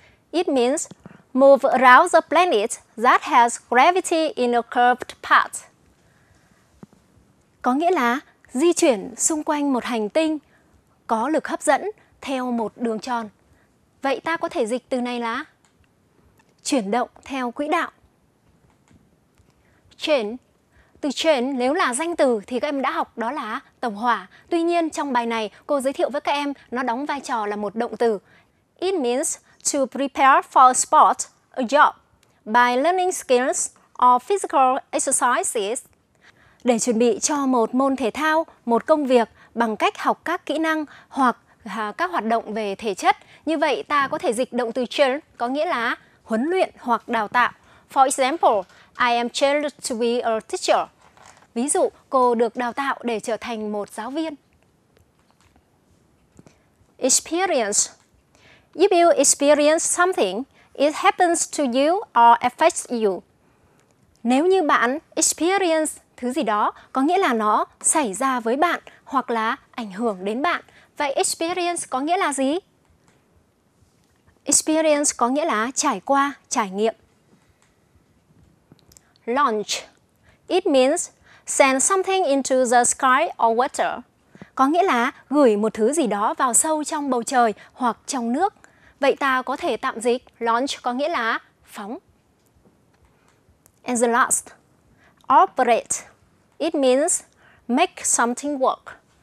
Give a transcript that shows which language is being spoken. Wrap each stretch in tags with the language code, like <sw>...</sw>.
<en>It means move around the planet that has gravity in a curved path.</en> <vi>Có nghĩa là di chuyển xung quanh một hành tinh có lực hấp dẫn theo một đường tròn. Vậy ta có thể dịch từ này là chuyển động theo quỹ đạo. Chuyển. Từ chuyển nếu là danh từ thì các em đã học đó là tàu hỏa. Tuy nhiên trong bài này cô giới thiệu với các em nó đóng vai trò là một động từ.</vi> <en>It means to prepare for a sport, a job, by learning skills or physical exercises.</en> <vi>Để chuẩn bị cho một môn thể thao, một công việc bằng cách học các kỹ năng hoặc các hoạt động về thể chất. Như vậy, ta có thể dịch động từ train có nghĩa là huấn luyện hoặc đào tạo.</vi> <en>For example, I am trained to be a teacher.</en> <vi>Ví dụ, cô được đào tạo để trở thành một giáo viên.</vi> <en>Experience. If you experience something, it happens to you or affects you.</en> <vi>Nếu như bạn experience thứ gì đó, có nghĩa là nó xảy ra với bạn hoặc là ảnh hưởng đến bạn. Vậy experience có nghĩa là gì? Experience có nghĩa là trải qua, trải nghiệm.</vi> <en>Launch. It means send something into the sky or water.</en> <vi>Có nghĩa là gửi một thứ gì đó vào sâu trong bầu trời hoặc trong nước. Vậy ta có thể tạm dịch launch có nghĩa là phóng.</vi> <en>And the last, operate. It means make something work.</en>